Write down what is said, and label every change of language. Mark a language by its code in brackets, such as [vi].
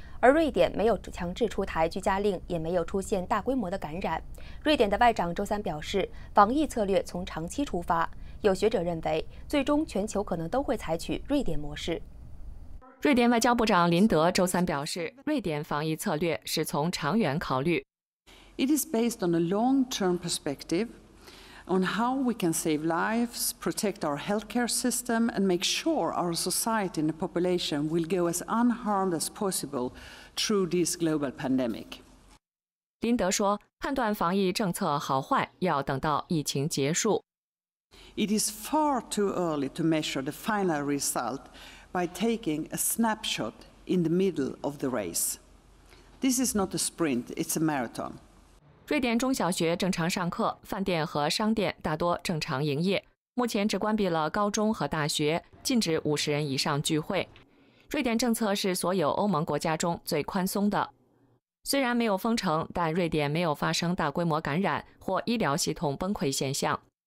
[zh] 而瑞典没有强制出台居家令，也没有出现大规模的感染。瑞典的外长周三表示，防疫策略从长期出发。有学者认为，最终全球可能都会采取瑞典模式。瑞典外交部长林德周三表示，瑞典防疫策略是从长远考虑。 [en] It is based on a long-term perspective on how we can save lives, protect our healthcare system, and make sure our society and the population will go as unharmed as possible through this global pandemic. [zh] 林德说，判断防疫政策好坏要等到疫情结束。 [en] It is far too early to measure the final result by taking a snapshot in the middle of the race. This is not a sprint, it's a marathon. [zh] 瑞典中小学正常上课，饭店和商店大多正常营业，目前只关闭了高中和大学，禁止50人以上聚会。瑞典政策是所有欧盟国家中最宽松的。虽然没有封城，但瑞典没有发生大规模感染或医疗系统崩溃现象。